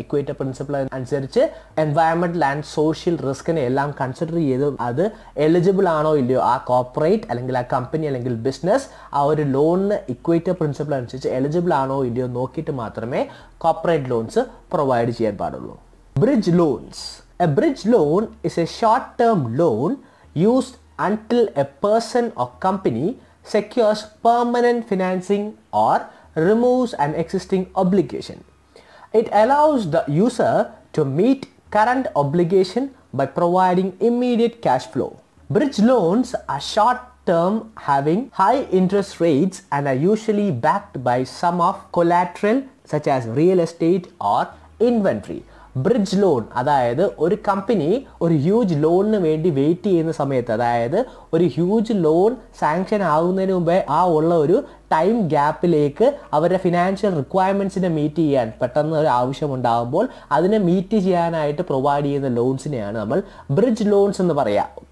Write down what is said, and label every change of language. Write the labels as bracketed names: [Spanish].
[Malayalam] Equator principle അനുസരിച്ച് environmental and social റിസ്ക്കിനെ എല്ലാം consider ചെയ്ത് അത് എലിജിബിൾ ആണോ ഇല്ലയോ ആ കോർപ്പറേറ്റ് അല്ലെങ്കിൽ ആ കമ്പനി അല്ലെങ്കിൽ ബിസിനസ് ആ ഒരു ലോണിന് ഇക്വേറ്റർ പ്രിൻസിപ്പിൾ അനുസരിച്ച് എലിജിബിൾ ആണോ ഇല്ലയോ നോക്കിയിട്ട് മാത്രമേ കോർപ്പറേറ്റ് ലോൺസ് പ്രൊവൈഡ് ചെയ്യാൻ പാടുള്ളൂ. [English] Bridge loans. A bridge loan is a short-term loan used until a person or company secures permanent financing or removes an existing obligation. It allows the user to meet current obligation by providing immediate cash flow. Bridge loans are short-term, having high interest rates and are usually backed by some of collateral such as real estate or inventory. [Malayalam] Bridge loan, അതായത് ഒരു company ഒരു huge ലോണിന് വേണ്ടി wait ചെയ്യുന്ന സമയത്ത്, അതായത് ഒരു huge loan sanction ആകുന്നതിന് മുമ്പേ ആ ഉള്ള ഒരു ടൈം ഗ്യാപ്പിലേക്ക് അവരുടെ ഫിനാൻഷ്യൽ റിക്വയർമെൻറ്റ്സിനെ മീറ്റ് ചെയ്യാൻ പെട്ടെന്ന് ഒരു ആവശ്യമുണ്ടാകുമ്പോൾ അതിനെ മീറ്റ് ചെയ്യാനായിട്ട് പ്രൊവൈഡ് ചെയ്യുന്ന ലോൺസിനെയാണ് നമ്മൾ ബ്രിഡ്ജ് ലോൺസ് എന്ന് പറയുക.